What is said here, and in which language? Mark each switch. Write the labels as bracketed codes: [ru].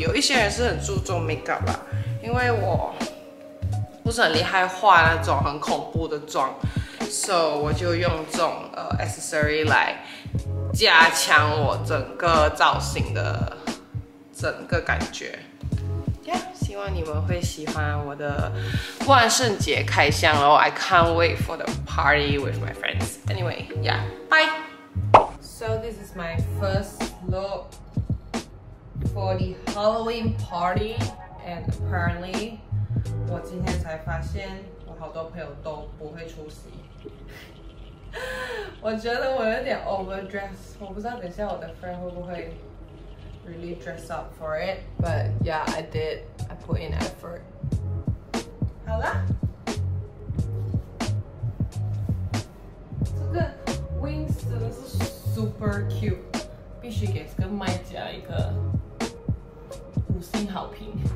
[zh] 有一些人是很注重 makeup 啦，因为我不是很厉害画那种很恐怖的妆，所以我就用这种accessory 来加强我整个造型的整个感觉。 Yeah， 希望你们会喜欢我的万圣节开箱喽。 [en] I can't wait for the party with my friends. Anyway， yeah， bye. So this is my first look for the Halloween party. And apparently， [zh] 我今天才发现我好多朋友都不会出席。我觉得我有点 overdress， 我不知道等下我的 friend 会不会 [en] really dress up for it， but yeah I did， I put in effort。 [zh] 好啦，这个 wings 真的是 [en] super cute， [zh] 必须给这个卖家一个五星好评。